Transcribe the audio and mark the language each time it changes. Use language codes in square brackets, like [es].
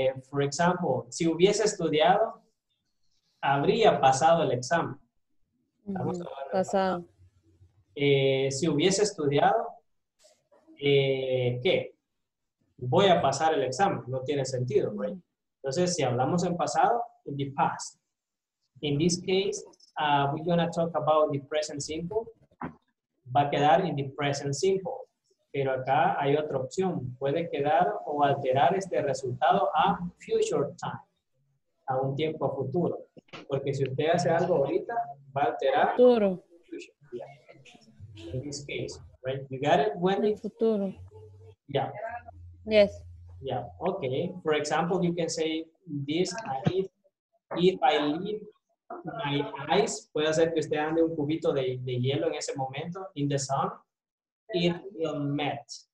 [en] For example, [es] si hubiese estudiado, habría pasado el examen. Pasado. Si hubiese estudiado, ¿qué? Voy a pasar el examen, no tiene sentido, right? Entonces, si hablamos en pasado, [en] in the past. In this case, we're going to talk about the present simple. [es] Va a quedar [en] in the present simple. [es] Pero acá hay otra opción. Puede quedar o alterar este resultado [en] a future time, [es] a un tiempo futuro. Porque si usted hace algo ahorita, va a alterar. Futuro. [en] Yeah. In this case, right? You got it, Wendy? [es] El futuro. [en] Yeah. Yes. Yeah. Okay. For example, you can say this. If I leave my eyes, [es] puede ser que usted ande un cubito de hielo en ese momento, [en] in the sun, it will melt.